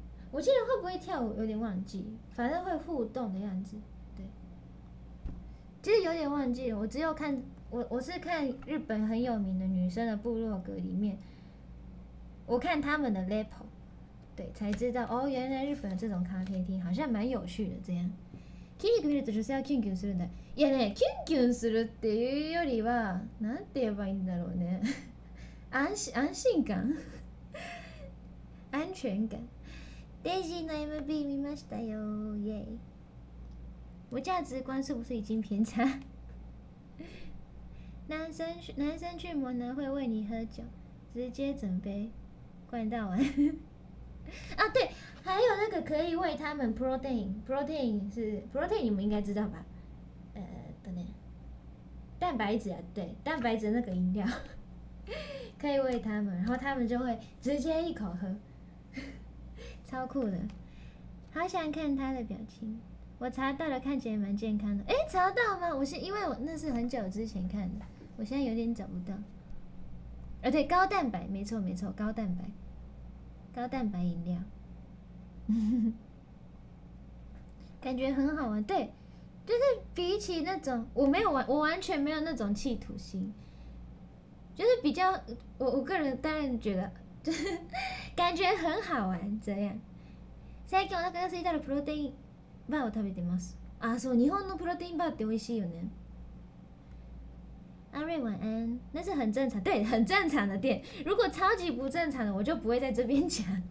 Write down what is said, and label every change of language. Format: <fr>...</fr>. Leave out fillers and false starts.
<zh>我记得会不会跳舞有点忘记，反正会互动的样子，对，就是有点忘记了，我只有看。我是看日本很有名的女生的部落格里面，我看他们的 level， 对，才知道哦，原来日本的这种咖啡厅好像蛮有趣的。</zh> <ja>这样，筋肉見ると女性はキュンキュンするんだ。いやね、キュンキュンするっていうよりは、なんて言えばいいんだろうね、安心感、安全感。デイジーの MV 見ましたよ、イエイ。</ja> <zh>我价值观是不是已经偏差？男生去摩南会为你喝酒，直接整杯灌到完。啊，对，还有那个可以为他们 protein 你们应该知道吧？蛋白质啊，对，蛋白质那个饮料可以为他们，然后他们就会直接一口喝，超酷的，好想看他的表情。我查到了，看起来蛮健康的。查到吗？因为我那是很久之前看的。我现在有点找不到，对，高蛋白，没错，高蛋白饮料，感觉很好玩，对，就是比起那种我完全没有那种企图心，就是比较我个人当然觉得，就是感觉很好玩这样。</zh> <ja>最近お腹が空いたらプロテインバーを食べてます。あ、そう、日本のプロテインバーって美味しいよね。</ja> <zh>阿瑞晚安，那是很正常，对，很正常的店。如果超级不正常的，我就不会在这边讲。</zh>